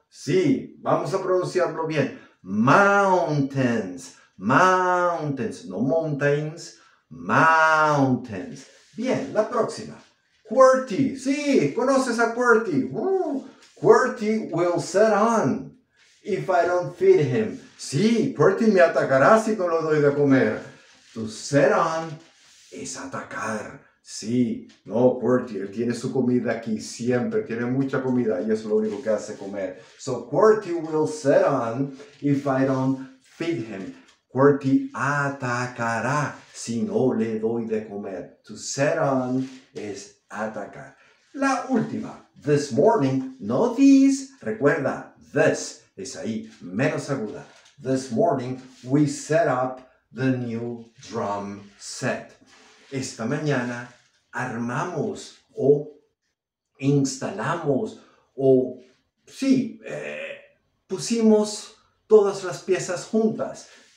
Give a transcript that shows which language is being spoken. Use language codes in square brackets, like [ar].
[es] Sí, vamos a pronunciarlo bien. Mountains. [en] Mountains, no mountains, mountains. [es] Bien, la próxima. QWERTY, sí, conoces a QWERTY. [en] QWERTY will set on if I don't feed him. [es] Sí, QWERTY me atacará si no lo doy de comer. [en] To set on [es] es atacar. Sí, no, QWERTY, él tiene su comida aquí siempre, tiene mucha comida y es lo único que hace comer. [en] So QWERTY will set on if I don't feed him. [es] QWERTY atacará si no le doy de comer. [en] To set on [es] es atacar. La última. [en] This morning, no these. [es] Recuerda, this es ahí, menos aguda. [en] This morning, we set up the new drum set. [es] Esta mañana, armamos o instalamos o, sí, pusimos todas las piezas juntas.